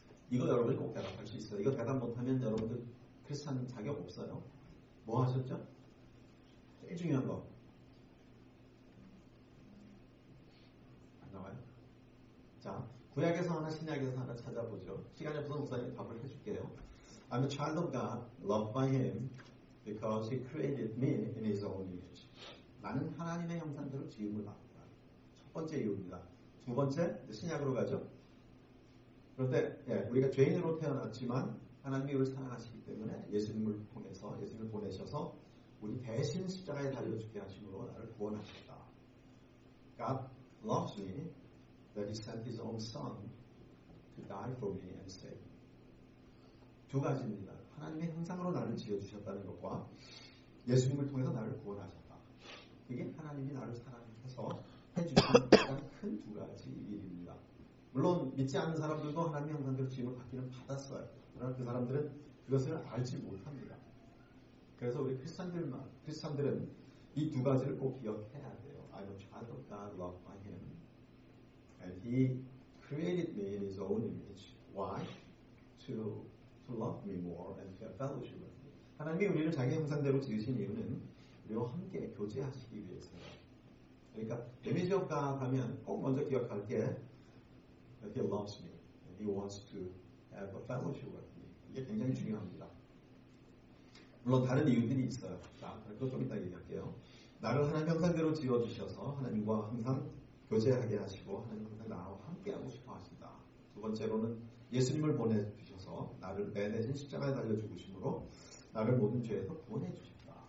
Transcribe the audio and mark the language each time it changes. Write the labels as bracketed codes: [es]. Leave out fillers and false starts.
[ko] 이거 여러분이 꼭 대답할 수 있어요. 이거 대답 못하면 여러분들 크리스찬 자격 없어요. 뭐 하셨죠? 제일 중요한 거. 안 나와요? 자, 구약에서 하나 신약에서 하나 찾아보죠. 시간이 없어서 목사님 답을 해줄게요. [en] I'm a child of God, loved by him, because he created me in his own image. [ko] 나는 하나님의 형상대로 지음을 받았다. 첫 번째 이유입니다. 두 번째, 신약으로 가죠. 그런데 예, 우리가 죄인으로 태어났지만 하나님이 우리를 사랑하시기 때문에 예수님을 통해서 예수님을 보내셔서 우리 대신 십자가에 달려 죽게 하심으로 나를 구원하셨다. [en] God loves me that he sent his own son to die for me and save me. [ko] 두 가지입니다. 하나님의 형상으로 나를 지어주셨다는 것과 예수님을 통해서 나를 구원하셨다. 이게 하나님이 나를 사랑해서 해주신 가장 큰 두 가지 일입니다. 물론 믿지 않는 사람들도 하나님의 형상대로 지음을 받기는 받았어요. 그러나 그 사람들은 그것을 알지 못합니다. 그래서 우리 크리스찬들은 이 두 가지를 꼭 기억해야 돼요. [en] I'm a child of God, loved by him. And he created me in his own image. Why? To love me more and to have fellowship with me. [ko] 하나님이 우리를 자기 형상대로 지으신 이유는 우리와 함께 교제하시기 위해서예요. 그러니까 image of God 하면 꼭 먼저 기억할 게 [en] He loves me. And he wants to have a fellowship with me. [ko] 이게 굉장히 중요합니다. 물론 다른 이유들이 있어요. 자, 그것도 좀 이따 얘기할게요. 나를 하나님 형상대로 지어주셔서 하나님과 항상 교제하게 하시고 하나님과 항상 나와 함께하고 싶어 하신다. 두 번째로는 예수님을 보내주셔서 나를 내 대신 십자가에 달려 죽으심으로 나를 모든 죄에서 구원해 주셨다.